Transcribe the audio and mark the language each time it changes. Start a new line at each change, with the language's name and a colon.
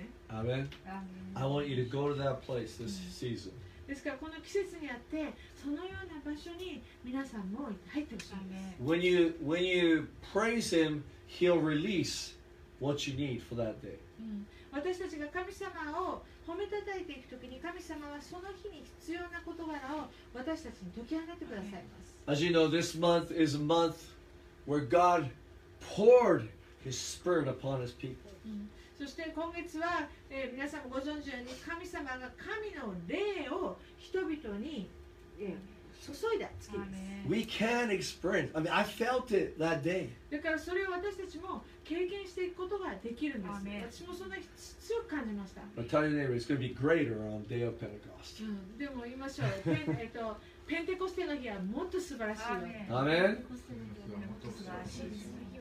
English: Amen. I want you to go to that place this season.
Japanese: ですからこの季節にあってそのような場所に皆さんも入ってほしいんです。
English: When you praise him, he'll release what you need for that day.
Japanese: 私たちが神様を褒めたたいていくときに神様はその日に必要な言葉を私たちに解き放ってくださいます。
English: As you know, this month is a month where God poured his spirit upon his people.
Japanese: そして今月は、皆さんもご存知のように神様が神の霊を人々に、注いだ月です。
English: We can experience. I mean, I felt it that day.
Japanese: だからそれを私たちも経験していくことができるんです。私もそんな強く感じました。
English: But tell your neighbor, it's going to be greater on the day of Pentecost.
Japanese: でも言いましょう。ペンテコステの日はもっと素晴らしいよ。
English: Amen.
Japanese: ペンテコステの日はもっと素晴らしいです。